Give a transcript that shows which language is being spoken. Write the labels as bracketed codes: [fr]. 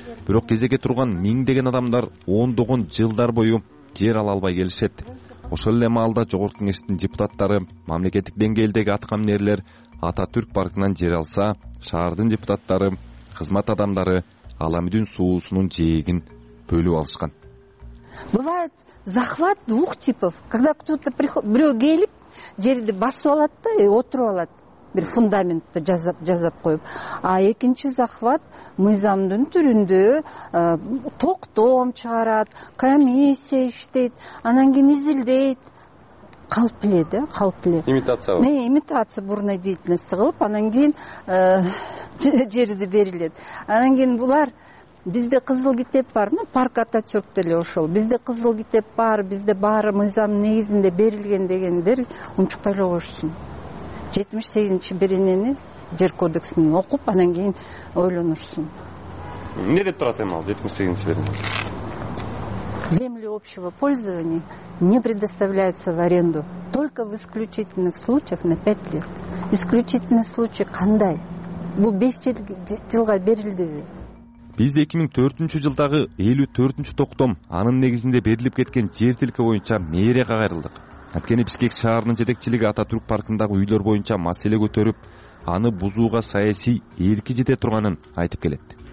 [ky] Бирок кезеге турган миңдеген адамдар ондогон жылдар бою жер ала албай келишет. Ошол эле маалда Жогорку Кеңештин депутаттары мамлекеттик деңгээлдеги аткаминерлер Ататүрк паркынан жер алса, шаардын депутаттары, кызмат адамдары Аламүдүн суусунун жээгин бөлүп алышкан. [ru] Бывает захват двух типов. Когда кто-то приходит, [ky] бирөө келип жерди басып алат да, отуруп алат. Бир фундаментти жазап коюп. А экинчи захват мыйзамдын түрүндө токтом чыгарат, комиссия иштейт, анан кийин изилдейт. Калп эле да, калп эле. Имитация. [ru] Имитация бурной деятельности [ky] кылып, анан кийин жерди берилет. Анан кийин булар бизде кызыл китеп бар, ну парк Ататүрк деле ошол. Бизде кызыл китеп бар, бизде баары мыйзам негизинде берилген дегендер унчукпай эле коюшсун. 78-чи беренени жер кодексин окуп, анан кийин ойлонурсун. Эмне деп турат эми ал 78-чи берене? [ru] Земли общего пользования не предоставляются в аренду только в исключительных случаях на 5 лет. Исключительный случай [ky] кандай? Бул 5 жылга берилдиби? Биз 2004 жылдагы 54-чү токтом анын негизинде берилип кеткен жер тилки боюнча мэрге кайрылдык. Анткени Бишкек шаарынын жетекчилиги Ататүрк паркындагы үйлөр боюнча маселе көтөрүп, аны бузууга саясий эрки жете турганын айтып келет.